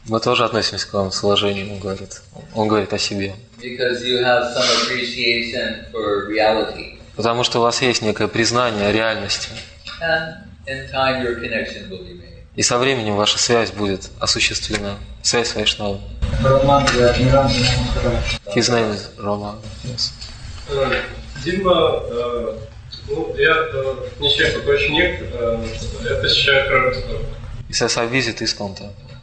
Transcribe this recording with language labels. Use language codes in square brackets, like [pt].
[ru] Мы тоже относимся к вам с уважением, он говорит о себе. [en] Because you have some appreciation for reality. [ru] Потому что у вас есть некое признание реальности. And in time your connection will be made. И со временем ваша связь будет осуществлена. Связь с Вайшнавом. Роман, я не рад. [en] His name is Roman. Yes. [ru] Дима, ну, я не ученик, это сейчас [en] He says, I visit ISKCON temple.